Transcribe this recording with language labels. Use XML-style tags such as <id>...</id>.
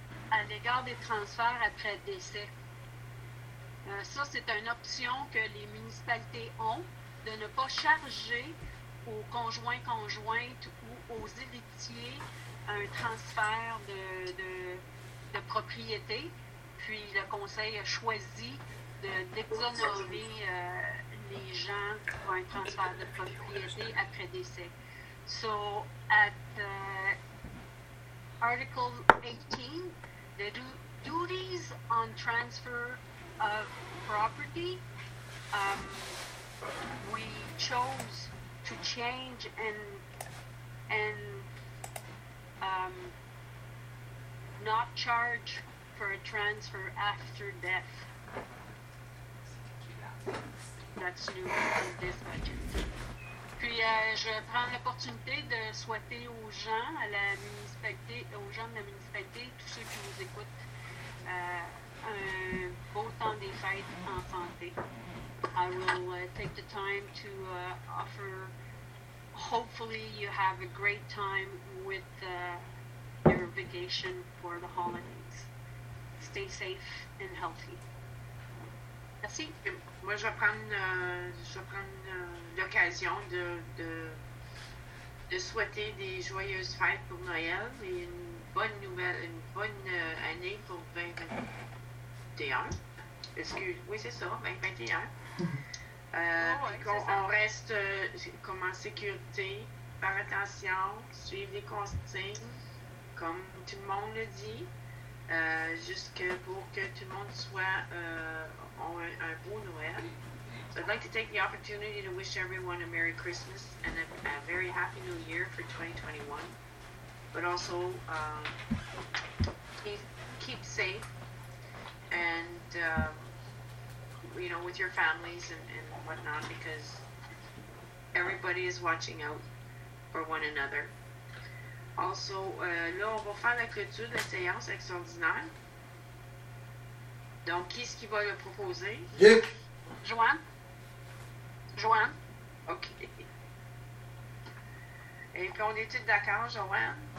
<fr>à l'égard des transferts après décès. Ça, c'est une option que les municipalités ont de ne pas charger aux conjoints-conjointes ou aux héritiers un transfert de propriété. Puis le conseil a choisi d'exonérer les gens pour un transfert de propriété après décès.</fr> <en>So, at Article 18, the duties on transfer of property, we chose to change and not charge for a transfer after death. That's new in this budget.</en> <fr>Puis, je prends l'opportunité de souhaiter aux gens, à la municipalité, aux gens de la municipalité, tous ceux qui nous écoutent, un beau temps des fêtes en santé.</fr> <en>I will take the time to offer, hopefully you have a great time with your vacation for the holidays. Stay safe and healthy.</en> <fr>Merci. Moi, je vais prendre l'occasion de souhaiter des joyeuses fêtes pour Noël et une bonne année pour 2021. Oui, c'est ça, 2021. On reste comme en sécurité, faire attention, suivre les consignes, comme tout le monde le dit, jusque pour que tout le monde soit... un beau Noël.</fr> <en>So I'd like to take the opportunity to wish everyone a Merry Christmas and a very Happy New Year for 2021. But also, keep safe and, you know, with your families and whatnot, because everybody is watching out for one another.</en> <fr>Also, là, on va faire la clôture de séance extraordinaire. Donc, qui est-ce qui va le proposer? Luc! Joanne? OK. Et puis, on est-tu d'accord, Joanne?</fr>